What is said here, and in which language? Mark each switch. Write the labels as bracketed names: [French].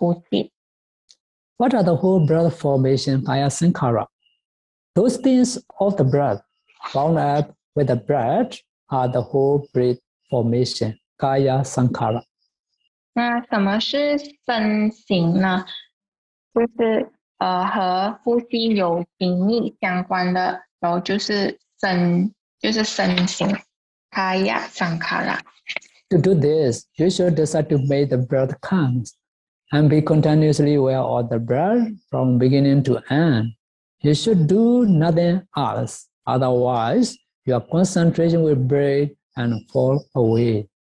[Chinese] 地形的身形而呼吸。 [English] What are the whole breath formation via sankhara? Those things of the breath bound up with the breath are the whole breath formation, kaya sankhara. [Chinese] 那什么是身形呢？就是和呼吸有紧密相关的，然后就是身形 ，kaya sankhara。 [English] To do this, you should decide to make the breath calm and be continuously aware of the breath from beginning to end. You should do nothing else. Otherwise, your concentration will break and fall away.